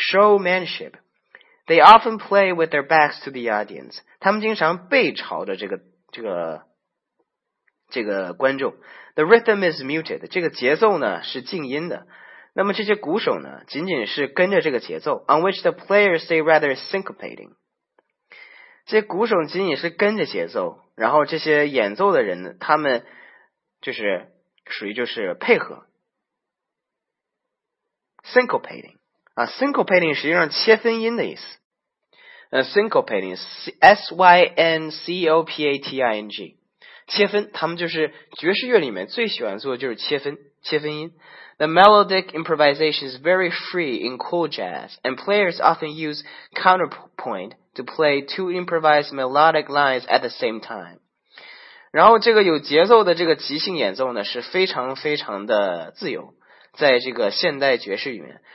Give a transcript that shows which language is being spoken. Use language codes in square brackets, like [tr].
[en] Showmanship， they often play with their backs to the audience， [zh] 他们经常背朝着这个观众。 [en] The rhythm is muted， [zh] 这个节奏呢是静音的。那么这些鼓手呢，仅仅是跟着这个节奏。 [en] On which the players say rather syncopating。 [zh] 这鼓手仅仅是跟着节奏，然后这些演奏的人他们就是属于就是配合 syncopating 啊， syncopating 实际上切分音的意思。 syncopating syncopating 切分，他们就是爵士乐里面最喜欢做的就是切分音。 [en] The melodic improvisation is very free in cool jazz, and players often use counterpoint to play two improvised melodic lines at the same time. [zh] 然后这个有节奏的这个即兴演奏呢，是非常非常的自由，在这个现代爵士里面。